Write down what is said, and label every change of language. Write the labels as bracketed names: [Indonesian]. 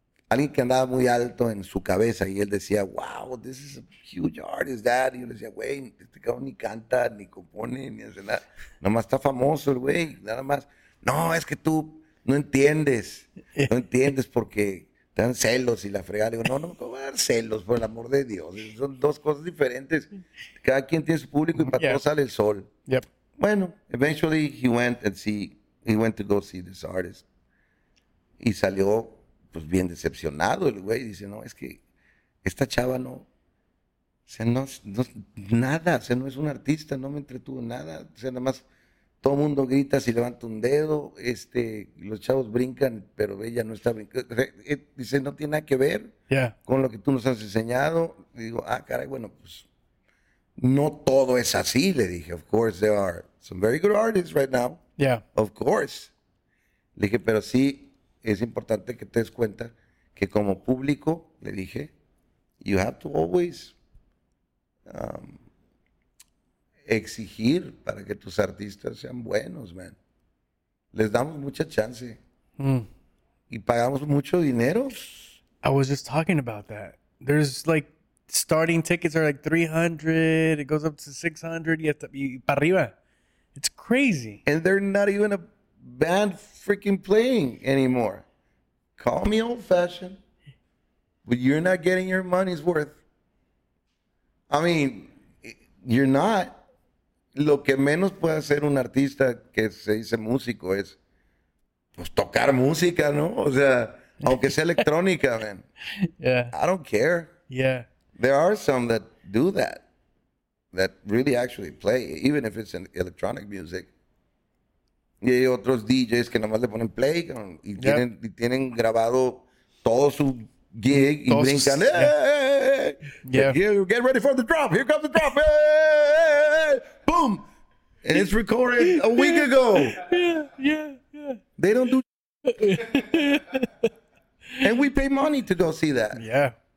[Spanish] Alguien que andaba muy alto en su cabeza y él decía, [English] wow, this is a huge artist, dad. [Spanish] Y yo le decía, güey, este cabrón ni canta, ni compone, ni hace nada. Nomás está famoso el güey, nada más. No, es que tú no entiendes, no entiendes porque... Están celos y la fregada. Digo, no, ¿cómo va a dar celos? Por el amor de Dios. Son dos cosas diferentes. Cada quien tiene su público y para todos sale el sol. [English] Yep. Bueno, eventually he went to go see this artist. [Spanish] Y salió, pues, bien decepcionado el güey. Dice, no, es que esta chava no... O sea, no es nada. O sea, no es un artista. No me entretuvo nada. O sea, nada más todo mundo grita si levanta un dedo, los chavos brincan, pero ella no está brincando. Dice, no tiene nada que ver con lo que tú nos has enseñado. Y digo, ah, caray, bueno, pues no todo es así, le dije. [English] Of course, there are some very good artists right now. Yeah. Of course. [Spanish] Le dije, pero sí es importante que te des cuenta que como público, le dije, [English] you have to always [Spanish] exigir para que tus artistas sean buenos, man. Les damos mucha chance. Mm. Y pagamos mucho dinero. [English] I was just talking about that. There's like starting tickets are like 300. It goes up to 600. You have to, [Spanish] y para arriba. [English] It's crazy. And they're not even a band freaking playing anymore. Call me old fashioned. But you're not getting your money's worth. I mean, you're not. [Spanish] Lo que menos puede hacer un artista que se dice músico es pues tocar música, ¿no? O sea, aunque sea electrónica, man. [English] Yeah. I don't care. Yeah. There are some that do that, that really actually play, even if it's an electronic music. [Spanish] Y hay otros DJs que nomás le ponen play y tienen, yep, y tienen grabado todo su gig y brincan, hey, [English] yeah, hey, get ready for the drop, here comes the drop, hey, boom, and it's recorded a week ago. Yeah. They don't do and we pay money to go see that. Yeah.